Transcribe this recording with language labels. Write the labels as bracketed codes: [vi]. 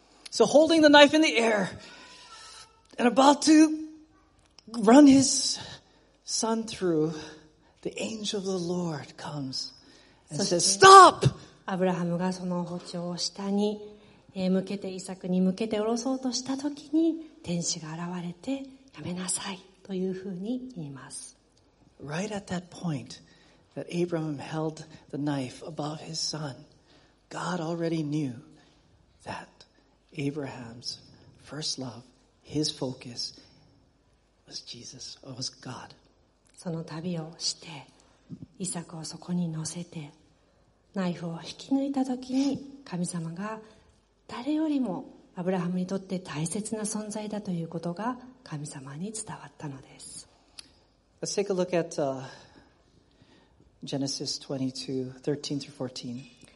[en] So holding the knife in the air and about to run his son through, the angel of the Lord comes and says, Stop! [ja] アブラハムがその包丁を下に向けてイサクに向けて下ろそうとした時に天使が現れてやめなさいというふうに言います。 [en] Right at that point that Abraham held the knife above his son, God already knew that Abraham's first love, his focus was Jesus, or was God. [ja] その旅をしてイサクをそこに乗せてナイフを引き抜いた時に神様が誰よりもアブラハムにとって大切な存在だということが神様に伝わったのです。 [en] Let's take a look at Genesis 22:13-14.